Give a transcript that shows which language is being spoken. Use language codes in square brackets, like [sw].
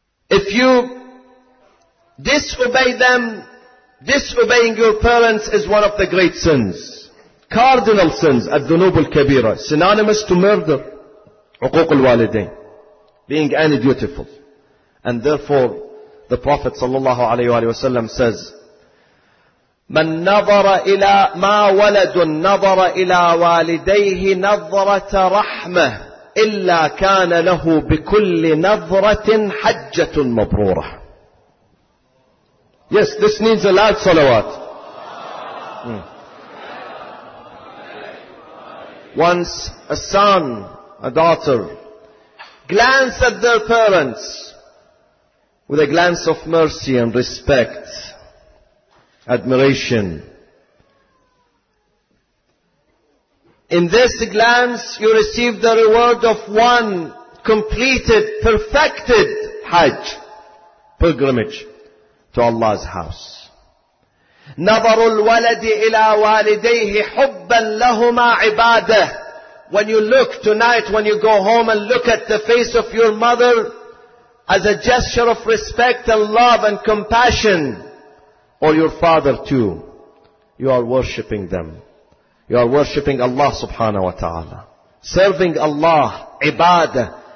[en] if you disobey them, disobeying your parents is one of the great sins. Cardinal sins, [ar] الذنوب الكبيرة, [en] synonymous to murder, [ar] عقوق الوالدين, [en] being undutiful. And therefore, the Prophet [ar] صلى الله عليه وآله وسلم says, من نظر إلى ما ولد نظر إلى والديه نظرة رحمة إلا كان له بكل نظرة حجة مبرورة. [en] Yes, this needs a loud salawat. Once a son, a daughter, glance at their parents with a glance of mercy and respect, admiration. In this glance, you receive the reward of one completed, perfected Hajj, pilgrimage to Allah's house. [ar] نظر الولد إلى والديه حبا لهما عبادة. [en] When you look tonight, when you go home and look at the face of your mother as a gesture of respect and love and compassion, or your father too, you are worshipping them. You are worshipping Allah subhanahu wa ta'ala. Serving Allah, ibadah.